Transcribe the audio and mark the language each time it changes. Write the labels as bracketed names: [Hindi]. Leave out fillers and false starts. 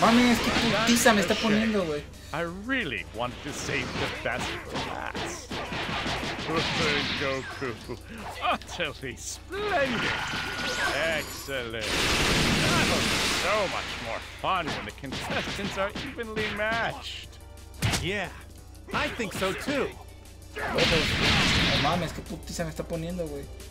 [Spanish] Mami, es que putiza me está poniendo, güey. [English] I really want to save the best class. Good Goku. Utterly splendid. Excellent. That'll be so much more fun when the contestants are evenly matched. Yeah, I think so too. [Spanish] Mami, es que putiza me está poniendo, güey.